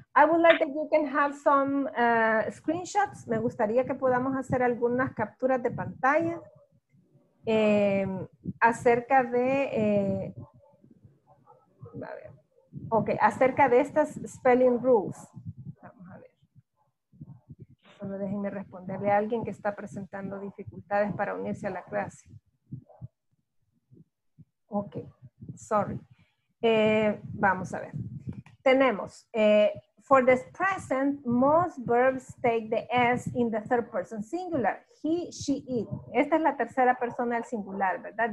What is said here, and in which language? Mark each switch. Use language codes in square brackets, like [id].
[en] I would like that you can have some screenshots. [es] Me gustaría que podamos hacer algunas capturas de pantalla. Acerca de estas spelling rules. Vamos a ver. Solo déjenme responderle a alguien que está presentando dificultades para unirse a la clase. Ok, sorry. Vamos a ver. Tenemos, [en] for the present, most verbs take the S in the third person singular. He, she, it. [es] Esta es la tercera persona del singular, ¿verdad?